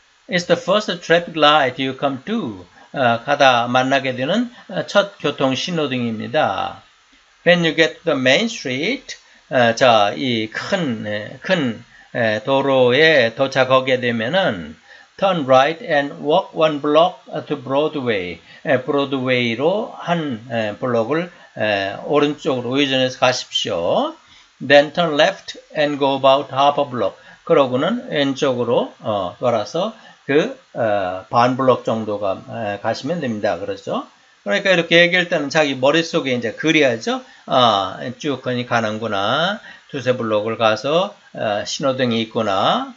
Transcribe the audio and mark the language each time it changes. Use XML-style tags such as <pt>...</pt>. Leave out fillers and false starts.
<en>It's the first traffic light you come to.</en> <ko>가다 만나게 되는 첫 교통 신호등입니다.</ko> <en>When you get to the main street,</en> <ko>자, 이 큰 도로에 도착하게 되면은</ko> <en>turn right and walk one block to Broadway.</en> <ko>브로드웨이로 한 블록을 오른쪽으로 회전해서 가십시오.</ko> <en>Then turn left and go about half a block.</en> <ko>그러고는 왼쪽으로 돌아서 반 블록 정도가 가시면 됩니다. 그렇죠? 그러니까 이렇게 얘기할 때는 자기 머릿속에 이제 그려야죠. 아, 쭉 거니 가는구나. 두세 블록을 가서 신호등이 있구나.</ko>